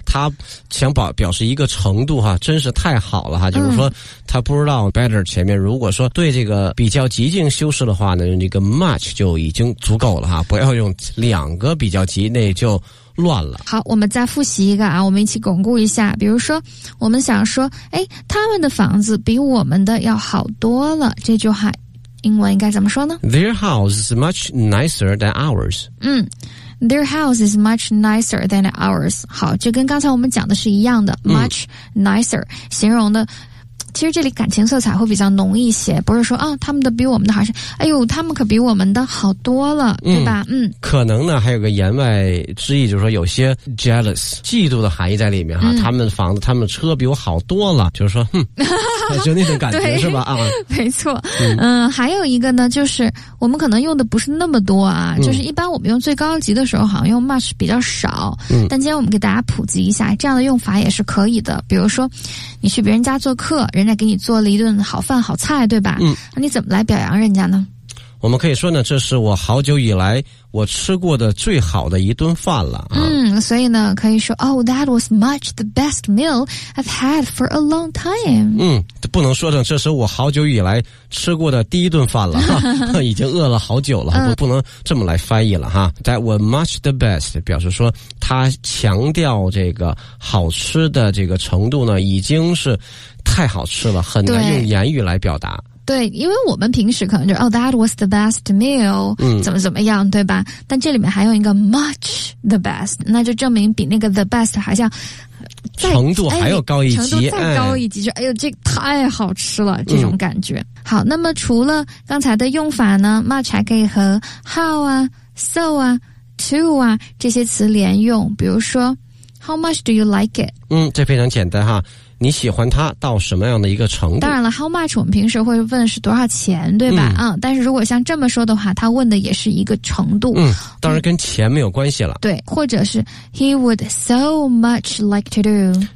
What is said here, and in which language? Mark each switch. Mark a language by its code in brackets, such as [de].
[zh] 他想表示一个程度哈，真是太好了哈，就是说他不知道 better 前面如果说对这个比较极尽修饰的话呢，那个 much 就已经足够了哈，不要用两个比较极，那就乱了。好，我们再复习一个啊，我们一起巩固一下。比如说，我们想说，哎，他们的房子比我们的要好多了，这句话英文应该怎么说呢？ [en] Their house is much nicer than ours. 嗯， Their house is much nicer than ours. [zh] 好，就跟刚才我们讲的是一样的， much nicer， 形容的其实这里感情色彩会比较浓一些，不是说啊，他们的比我们的好，是哎呦，他们可比我们的好多了，对吧？可能呢还有个言外之意，就是说有些 jealous 嫉妒的含义在里面哈。他们房子、他们车比我好多了，就是说，哼，就那种感觉是吧？啊，没错。还有一个呢，就是我们可能用的不是那么多啊，就是一般我们用最高级的时候，好像用 much 比较少。但今天我们给大家普及一下，这样的用法也是可以的。比如说，你去别人家做客。人家给你做了一顿好饭好菜，对吧？那你怎么来表扬人家呢？我们可以说呢，这是我好久以来我吃过的最好的一顿饭了、所以呢可以说 [en] Oh, that was much the best meal I've had for a long time. [zh] 不能说成这是我好久以来吃过的第一顿饭了已经饿了好久了不能这么来翻译了哈。 [en] That was much the best [zh] 表示说他强调这个好吃的这个程度呢已经是太好吃了，很难用言语来表达。对，因为我们平时可能就 [en] Oh, that was the best meal [zh] 怎么怎么样，对吧？但这里面还有一个 [en] much the best， [zh] 那就证明比那个 the best 好像程度还要高一级、程度再高一级、就哎呦，这太好吃了这种感觉。好，那么除了刚才的用法呢， much 还可以和 how 啊、 so 啊、 to 啊这些词连用，比如说 [en] How much do you like it？ [zh] 这非常简单哈，你喜欢它到什么样的一个程度？当然了 ，how much 我们平时会问是多少钱，对吧？但是如果像这么说的话，他问的也是一个程度。当然跟钱没有关系了。对，或者是 [en] he would so much like to do，